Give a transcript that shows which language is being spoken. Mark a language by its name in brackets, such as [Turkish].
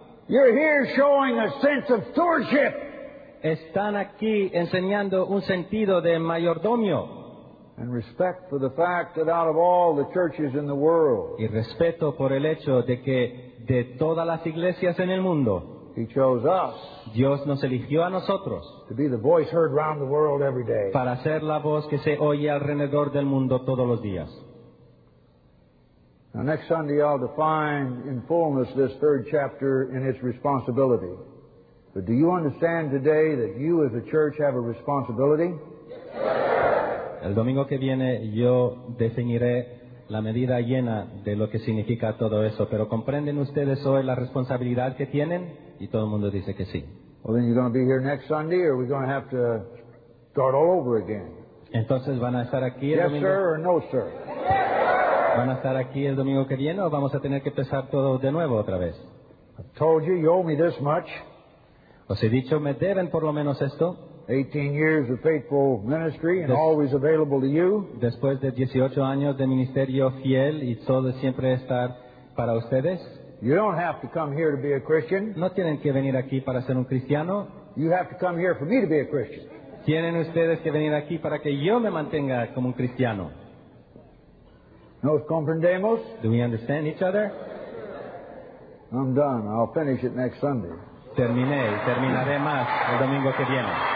[English] You're here showing a sense of stewardship. [Spanish] Están aquí enseñando un sentido de mayordomio. [English] And respect for the fact that out of all the churches in the world, [Spanish] y respeto por el hecho de que de todas las iglesias en el mundo, [English] he chose us, [Spanish] Dios nos eligió a nosotros, [English] to be the voice heard round the world every day, [Spanish] para ser la voz que se oye alrededor del mundo todos los días. [English] Now next Sunday I'll define in fullness this third chapter in its responsibility. But do you understand today that you as a church have a responsibility? [Spanish] El domingo que viene yo definiré la medida llena de lo que significa todo eso. Pero ¿comprenden ustedes hoy la responsabilidad que tienen? Y todo el mundo dice que sí. [English] Well, then you're going to be here next Sunday, or we're going to have to start all over again. [Spanish] Entonces van a estar aquí el domingo. [English] Yes, sir, or no, sir. [Spanish] Van a estar aquí el domingo que viene, o vamos a tener que empezar todo de nuevo otra vez. [English] I told you, you owe me this much. [Spanish] Os he dicho, me deben por lo menos esto. [English] 18 years of faithful ministry and always available to you. [Spanish] Después de 18 años de ministerio fiel y todo siempre estar para ustedes. [English] You don't have to come here to be a Christian. [Spanish] No tienen que venir aquí para ser un cristiano. [English] You have to come here for me to be a Christian. [Spanish] Tienen ustedes que venir aquí para que yo me mantenga como un cristiano. Nos comprendemos. [English] Do we understand each other? I'm done. I'll finish it next Sunday. [Spanish] Terminé y terminaré más el domingo que viene.